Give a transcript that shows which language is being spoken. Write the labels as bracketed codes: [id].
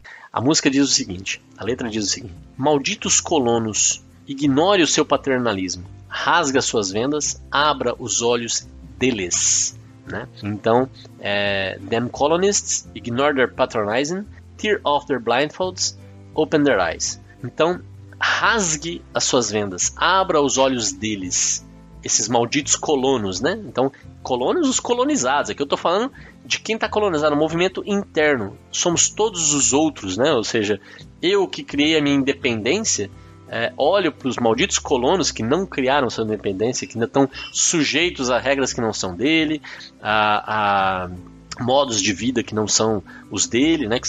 [pt] A música diz o seguinte, a letra diz o seguinte: malditos colonos, ignore o seu paternalismo, rasga suas vendas, abra os olhos deles, né? [en] Então, them colonists, ignore their patronizing, tear off their blindfolds, open their eyes. [pt] Então, rasgue as suas vendas, abra os olhos deles, esses malditos colonos, né? Então, colonos, os colonizados, aqui eu tô falando de quem está colonizado, o movimento interno. Somos todos os outros, né? Ou seja, eu que criei a minha independência, olho para os malditos colonos que não criaram sua independência, que ainda estão sujeitos a regras que não são dele, a modos de vida que não são os dele, né?